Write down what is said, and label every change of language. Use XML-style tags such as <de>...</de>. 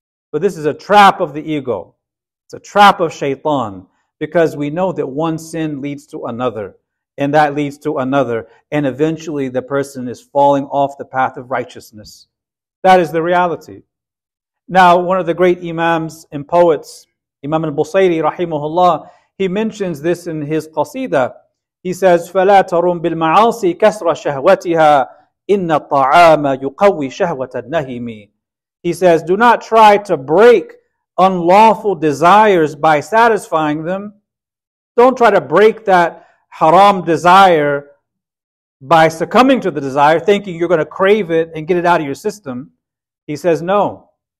<en>But this is a trap of the ego. It's a trap of shaitan, because we know that one sin leads to another, and that leads to another, and eventually the person is falling off the path of righteousness. That is the reality. Now, one of the great imams and poets, Imam al-Busayri, rahimahullah, he mentions this in his qasida. He says,</en> <ar>فَلَا تَرُمْ بِالْمَعَاصِي كَسْرَ شَهْوَتِهَا إِنَّ الطَّعَامَ يُقَوِّي شَهْوَةَ النَّهِمِ.</ar> <en>He says, do not try to break unlawful desires by satisfying them. Don't try to break that haram desire by succumbing to the desire, thinking you're going to crave it and get it out of your system. He says, no,</en>